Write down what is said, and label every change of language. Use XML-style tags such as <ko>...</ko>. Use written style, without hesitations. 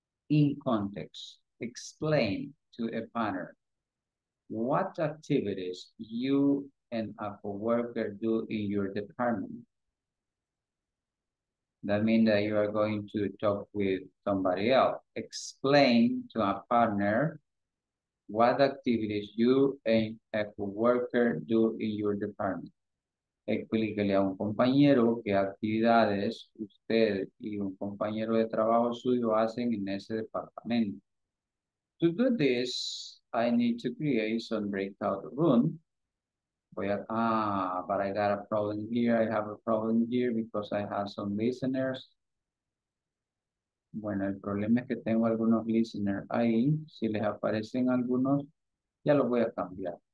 <en>In context, explain to a partner what activities you and a co-worker do in your department. That means that you are going to talk with somebody else. Explain to a partner what activities you and a co-worker do in your department.</en> <es>Explíquele a un compañero qué actividades usted y un compañero de trabajo suyo hacen en ese departamento.</es> <en>To do this, I need to create some breakout room. But I got a problem here. I have a problem here because I have some listeners.</en> <es>Bueno, el problema es que tengo algunos listeners ahí. Si les aparecen algunos, ya los voy a cambiar.</es>